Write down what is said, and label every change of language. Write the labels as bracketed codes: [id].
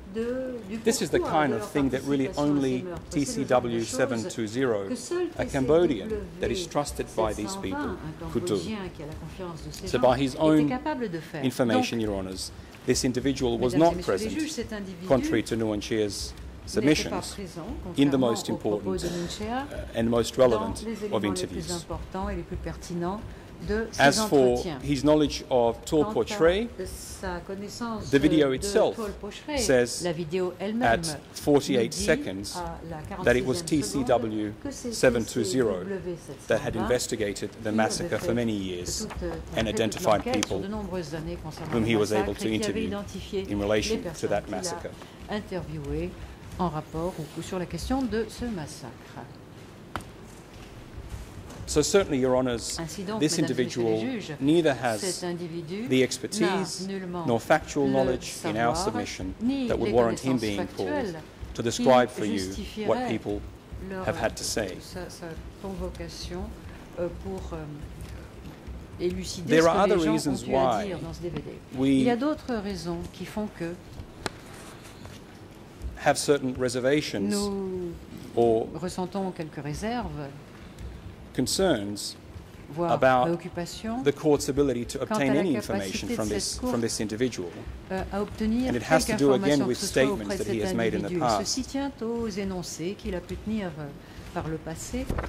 [en] This is the kind of thing that really only TCW 720, a Cambodian that is trusted by these people, could do. So by his own information, Your Honours, this individual was not present, contrary to Nguyen Chia's submissions in the most important and most relevant of interviews. [fr] Les importants et les plus pertinents de ses [en] As for his knowledge of Paul Pochret, the video itself says [fr] la vidéo elle-même [en] at 48 seconds that it was TCW 720 that had investigated the massacre for many years and identified people whom he was able to interview in relation to that massacre. [fr] Interviewé en rapport ou sur la question de ce massacre. [en] So certainly, Your Honours, this individual neither has the expertise nor factual knowledge in our submission that would warrant him being called to describe for you what people have had to say. There are other reasons why we have certain reservations [fr] or ressentons quelques réserves [en] concerns about the court's ability to obtain any information from this individual. And it has to do again with statements that he has made in the past. [fr] Ceci tient aux énoncés qu'il a pu tenir par le passé.